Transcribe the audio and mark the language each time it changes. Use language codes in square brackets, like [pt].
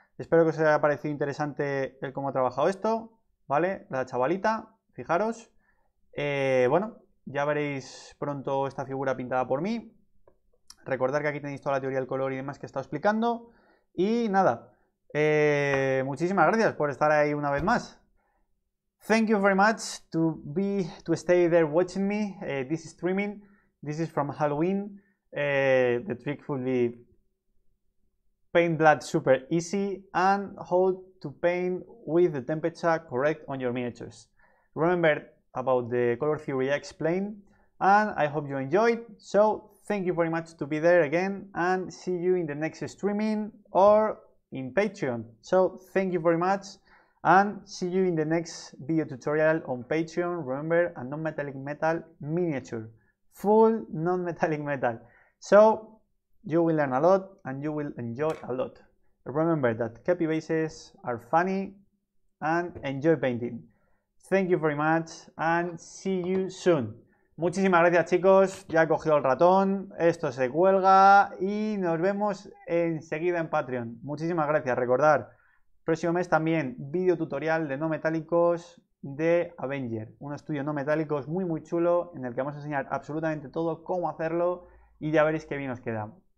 [es] Espero que os haya parecido interesante el cómo ha trabajado esto, ¿vale? La chavalita, fijaros. Bueno, ya veréis pronto esta figura pintada por mí. Recordad que aquí tenéis toda la teoría del color y demás que he estado explicando. Y nada, muchísimas gracias por estar ahí una vez más. [en] Thank you very much to stay there watching me. This is streaming. This is from Halloween. The trick would be paint blood super easy and how to paint with the temperature correct on your miniatures. Remember about the color theory I explained, and I hope you enjoyed. So thank you very much to be there again, and see you in the next streaming or in Patreon. So thank you very much. And see you in the next video tutorial on Patreon. Remember, a non-metallic metal miniature. Full non-metallic metal. So, you will learn a lot and you will enjoy a lot. Remember that copy bases are funny and enjoy painting. Thank you very much and see you soon. [es] Muchísimas gracias, chicos. Ya he cogido el ratón. Esto se cuelga y nos vemos enseguida en Patreon. Muchísimas gracias. Recordad. Próximo mes también vídeo tutorial de no metálicos de Avenger. Un estudio no metálicos muy muy chulo en el que vamos a enseñar absolutamente todo cómo hacerlo y ya veréis qué bien os queda.